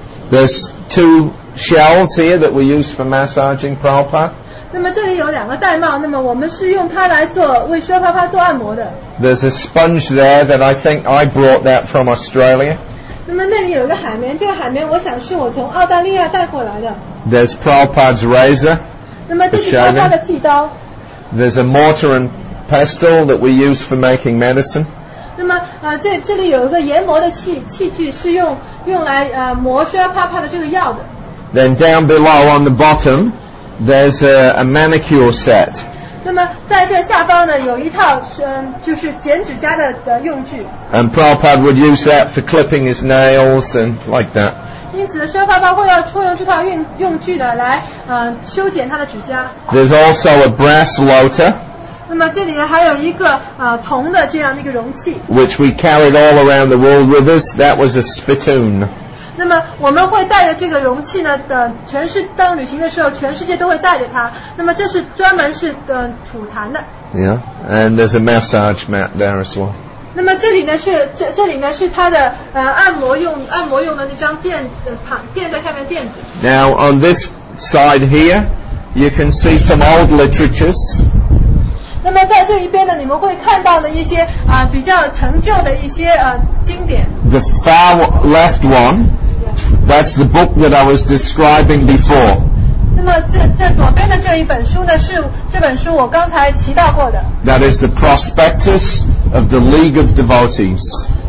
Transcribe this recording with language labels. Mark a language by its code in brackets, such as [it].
[en] There's two shells here that we use for massaging Prabhupada. [zh] 那么这里有两个戴帽，那么我们是用它来做为薛帕帕做按摩的。 [en] There's a sponge there that I think I brought that from Australia. [zh] 那么那里有一个海绵，这个海绵我想是我从澳大利亚带过来的。 [en] There's Prabhupada's razor. [zh] 那么这是薛帕帕的剃刀。 [en] There's a mortar and pestle that we use for making medicine. [zh] 那么这里有一个研磨的器具是用来磨薛帕帕的这个药的。 [en] Then down below on the bottom. There's a manicure set. [zh] 那么在这下方呢，有一套就是剪指甲的用具。 [en] And Prabhupada would use that for clipping his nails and like that. [zh] 因此，薛帕帕会要出用这套用具的来修剪他的指甲。 [en] There's also a brass lota. [zh] 那么这里还有一个铜的这样的一个容器。 [en] Which we carried all around the world with us. That was a spittoon. [zh] 那么我们会带着这个容器呢，全是当旅行的时候，全世界都会带着它。那么这是专门是吐痰的。 [en] Yeah, and there's a massage mat there as well. [zh] 那么这里呢是这里呢是它的按摩用的那张垫在下面垫子。 [en] Now on this side here, you can see some old literatures. [zh] 那么在这一边呢，你们会看到的一些比较陈旧的一些经典。 [en] The far left one, that's the book that I was describing before. [zh] 那么这左边的这一本书呢，是这本书我刚才提到过的。 [en] That is the prospectus of the League of Devotees.